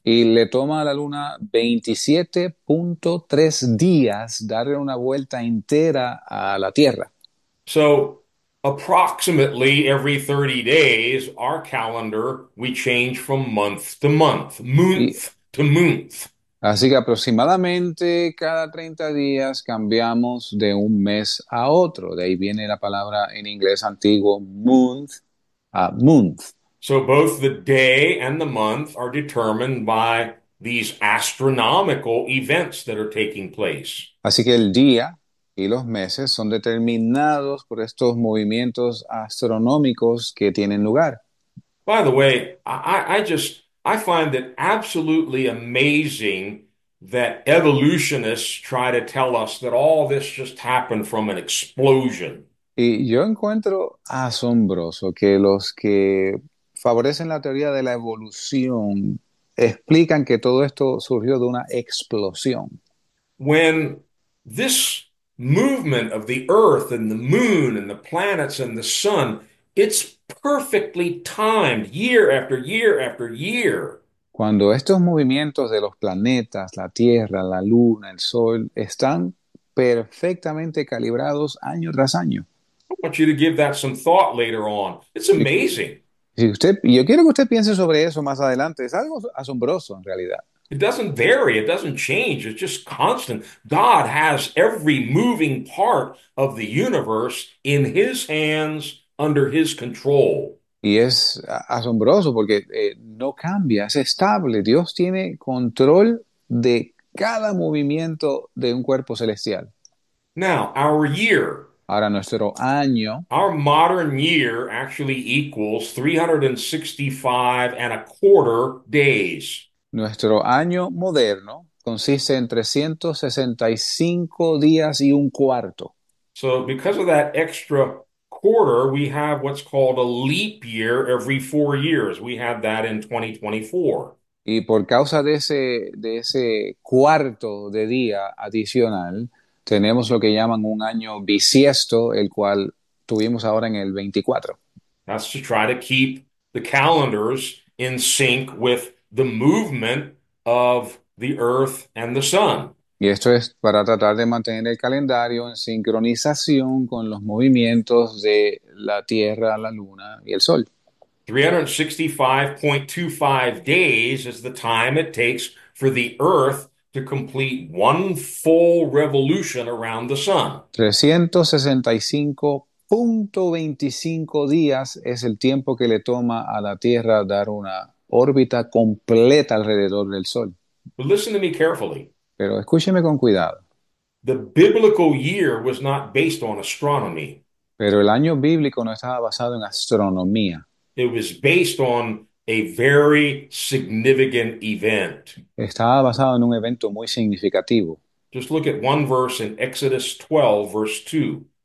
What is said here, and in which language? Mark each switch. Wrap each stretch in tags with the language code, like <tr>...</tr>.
<es>Y le toma a la luna 27.3 días darle una vuelta entera a la Tierra.</es> <en>So, approximately every 30 days, our calendar, we change from month to month,</en> <es>Y</es> <en>month to month.</en> <es>así que aproximadamente cada 30 días cambiamos de un mes a otro. De ahí viene la palabra en inglés antiguo month a month.</es> <en>So both the day and the month are determined by these astronomical events that are taking place.</en> <es>Así que el día y los meses son determinados por estos movimientos astronómicos que tienen lugar.</es> <en>By the way, I find it absolutely amazing that evolutionists try to tell us that all this just happened from an explosion.</en> <es>Y yo encuentro asombroso que los que favorecen la teoría de la evolución explican que todo esto surgió de una explosión.</es> <en>When this movement of the Earth and the Moon and the planets and the Sun, it's perfectly timed year after year after year.</en> <es>Cuando estos movimientos de los planetas, la Tierra, la Luna, el Sol, están perfectamente calibrados año tras año.</es> <en>I want you to give that some thought later on. It's amazing.</en> <es>Si usted, yo quiero que usted piense sobre eso más adelante. Es algo asombroso en realidad.</es> <en>It doesn't vary, it doesn't change, it's just constant. God has every moving part of the universe in his hands, under his control.</en> <es>Y es asombroso porque no cambia, es estable. Dios tiene control de cada movimiento de un cuerpo celestial.</es> <en>Now, our year.</en> <es>Ahora nuestro año.</es> <en>Our modern year actually equals 365 and a quarter days.</en> <es>Nuestro año moderno consiste en 365 días y un cuarto.</es> <en>So, because of that extra quarter, we have what's called a leap year every 4 years. We have that in 2024.</en> <es>Y por causa de ese cuarto de día adicional, tenemos lo que llaman un año bisiesto, el cual tuvimos ahora en el 24.</es> <en>That's to try to keep the calendars in sync with the movement of the Earth and the Sun.</en> <es>Y esto es para tratar de mantener el calendario en sincronización con los movimientos de la Tierra, la Luna y el Sol.</es> <en>365.25 days is the time it takes for the Earth to complete one full revolution around the Sun.</en> <es>365.25 días es el tiempo que le toma a la Tierra dar una órbita completa alrededor del Sol.</es> <en>But listen to me carefully.</en> <es>Pero escúcheme con cuidado.</es> <en>The biblical year was not based on astronomy.</en> <es>Pero el año bíblico no estaba basado en astronomía.</es> <en>It was based on a very significant event.</en> <es>Estaba basado en un evento muy significativo.</es> <en>Just look at one verse in Exodus 12, verse 2.</en>